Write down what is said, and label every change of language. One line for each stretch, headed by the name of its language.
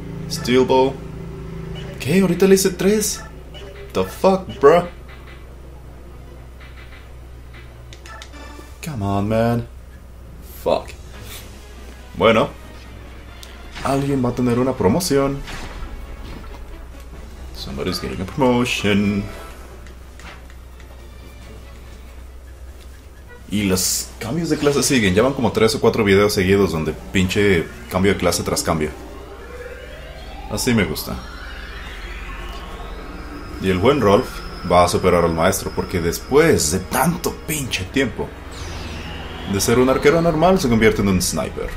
Spanish: Steel Bow. ¿Qué? Ahorita le hice 3.
English: The fuck, bruh. Come on, man. Fuck. Bueno.
Spanish: Alguien va a tener una promoción.
English: Somebody's getting a promotion.
Spanish: Y los cambios de clase siguen. Ya van como 3 o 4 videos seguidos donde pinche cambio de clase tras cambio. Así me gusta. Y el buen Rolf va a superar al maestro porque después de tanto pinche tiempo de ser un arquero normal se convierte en un sniper.